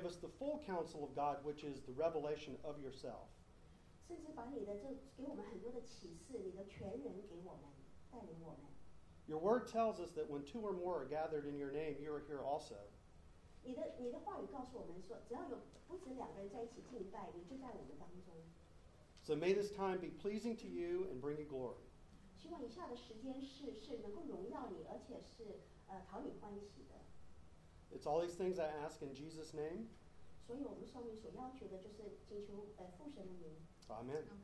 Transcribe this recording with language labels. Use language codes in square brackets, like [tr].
[en] to give us the full counsel of God, which is the revelation of yourself. [zh] 甚至把你的这给我们很多的启示，你的全人给我们，带领我们。 [en] Your word tells us that when two or more are gathered in your name, you are here also. [zh] 你的话语告诉我们说，只要有不止两个人在一起敬拜，你就在我们当中。 [en] So may this time be pleasing to you and bring you glory. [zh] 希望以下的时间是能够荣耀你，而且是讨你欢喜的。 [en] It's all these things I ask in Jesus' name. [zh] 所以我们上面所要求的就是祈求父神的名。Amen.